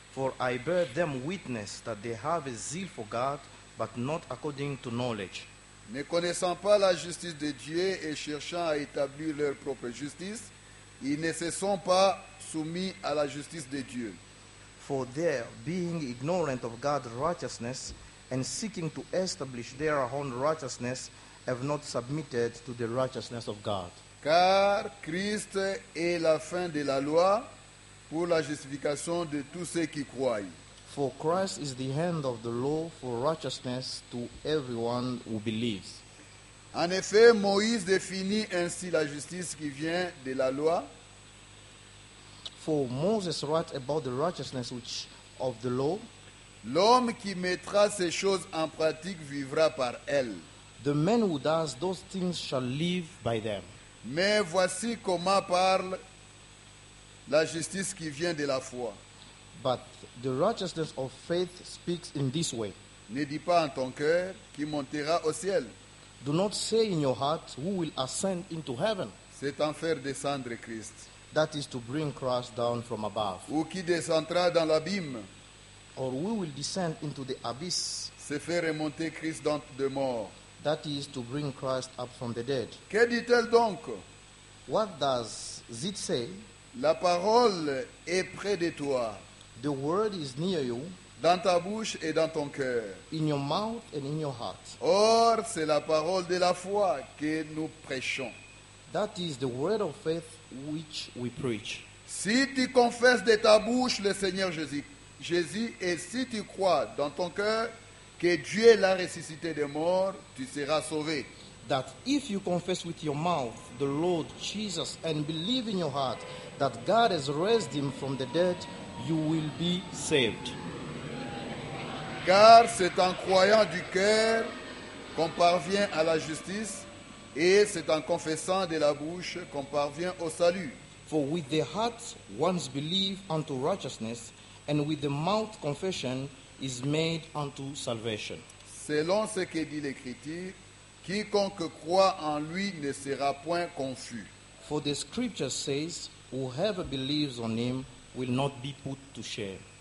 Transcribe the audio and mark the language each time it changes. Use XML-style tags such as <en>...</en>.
<en>For I bear them witness that they have a zeal for God, but not according to knowledge.</en> <fr>Ne connaissant pas la justice de Dieu et cherchant à établir leur propre justice, ils ne se sont pas soumis à la justice de Dieu.</fr> <en>For their being ignorant of God's righteousness and seeking to establish their own righteousness, have not submitted to the righteousness of God.</en> <fr>Car Christ est la fin de la loi pour la justification de tous ceux qui croient.</fr> <en>For Christ is the end of the law for righteousness to everyone who believes.</en> <fr>En effet, Moïse définit ainsi la justice qui vient de la loi.</fr> <en>For Moses wrote about the righteousness which of the law.</en> <fr>L'homme qui mettra ces choses en pratique vivra par elles.</fr> <en>The man who does those things shall live by them.</en> <fr>Mais voici comment parle la justice qui vient de la foi.</fr> <en>But the righteousness of faith speaks in this way.</en> <fr>Ne dis pas en ton cœur qui montera au ciel.</fr> <en>Do not say in your heart who will ascend into heaven.</en> <fr>C'est en faire descendre Christ.</fr> <en>That is to bring Christ down from above.</en> <fr>Ou qui descendra dans l'abîme.</fr> <en>Or who will descend into the abyss.</en> <fr>C'est faire remonter Christ de mort.</fr> <en>That is to bring Christ up from the dead.</en> <fr>Que dit-elle donc?</fr> <en>What does it say?</en> <fr>La parole est près de toi.</fr> <en>The word is near you.</en> <fr>Dans ta bouche et dans ton cœur.</fr> <en>In your mouth and in your heart.</en> <fr>Or, c'est la parole de la foi que nous prêchons.</fr> <en>That is the word of faith which we preach.</en> <fr>Si tu confesses de ta bouche le Seigneur Jésus, et si tu crois dans ton cœur que Dieu l'a ressuscité des morts, tu seras sauvé.</fr> <en>That if you confess with your mouth the Lord Jesus and believe in your heart that God has raised him from the dead, you will be saved.</en> <fr>Car c'est en croyant du cœur qu'on parvient à la justice, et c'est en confessant de la bouche qu'on parvient au salut.</fr> <en>For with the heart one believes unto righteousness, and with the mouth confession is made unto salvation.</en> <fr>Selon ce que dit l'Écriture, quiconque croit en lui ne sera point confus.</fr> <en>For the Scripture says, whoever believes on him will not be put to shame.</en>